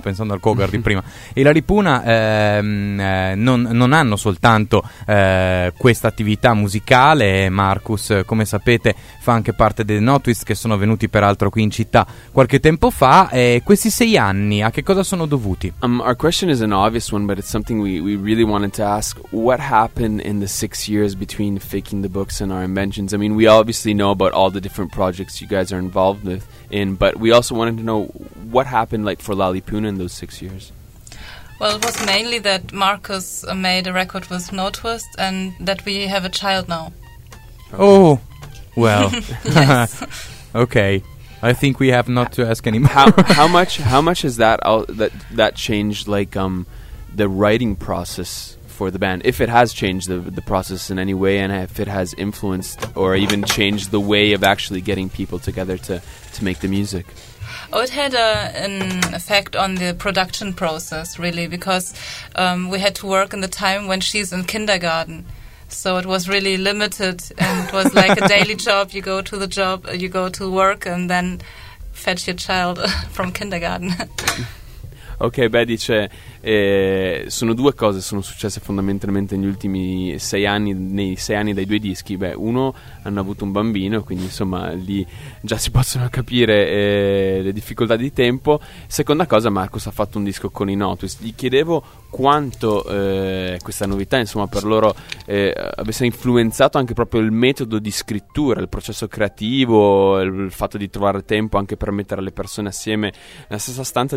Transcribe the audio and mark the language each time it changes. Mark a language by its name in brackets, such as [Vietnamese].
[Italian] Pensando al Cougar di prima. I La Lipuna non hanno soltanto questa attività musicale. Marcus, come sapete, fa anche parte dei Notwist, che sono venuti peraltro qui in città qualche tempo fa. Questi sei anni a che cosa sono dovuti? [English] Our question is an obvious one, but it's something we really wanted to ask. What happened in the 6 years between Faking the Books and Our Inventions? I mean, we obviously know about all the different projects you guys are involved with in, but we also wanted to know what happened, like, for La Lipuna in those 6 years. Well, it was mainly that Marcus made a record with No Twist, and that we have a child now. Oh, well. Yes. Okay. I think we have not to ask anymore. How much has that changed, like, the writing process for the band, if it has changed the process in any way, and if it has influenced or even changed the way of actually getting people together to make the music? Oh, it had an effect on the production process, really, because we had to work in the time when she's in kindergarten, so it was really limited, and it was like a daily job. You go to the job, you go to work, and then fetch your child from kindergarten. [Italian] Ok, beh, dice, sono due cose che sono successe fondamentalmente negli ultimi sei anni, nei sei anni dai due dischi. Beh, uno, hanno avuto un bambino, quindi insomma lì già si possono capire le difficoltà di tempo. Seconda cosa, Marcus ha fatto un disco con i Notwist. Gli chiedevo quanto questa novità, insomma, per loro avesse influenzato anche proprio il metodo di scrittura, il processo creativo, il fatto di trovare tempo anche per mettere le persone assieme nella stessa stanza.